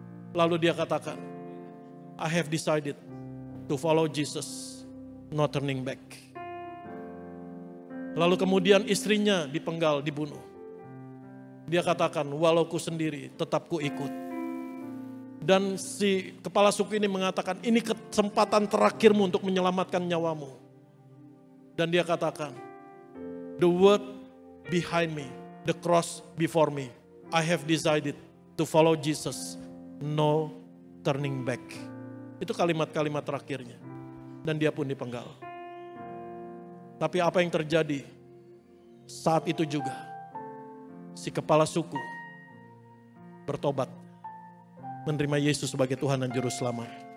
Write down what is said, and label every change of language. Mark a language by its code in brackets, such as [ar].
[id] Lalu dia katakan, [en] I have decided to follow Jesus, no turning back. [id] Lalu kemudian istrinya dipenggal, dibunuh. Dia katakan, walau ku sendiri, tetap ku ikut. Dan si kepala suku ini mengatakan, ini kesempatan terakhirmu untuk menyelamatkan nyawamu. Dan dia katakan, [en] the word behind me, the cross before me, I have decided to follow Jesus, no turning back. [id] Itu kalimat-kalimat terakhirnya. Dan dia pun dipenggal. Tapi apa yang terjadi? Saat itu juga, si kepala suku bertobat, menerima Yesus sebagai Tuhan dan Juru Selamat.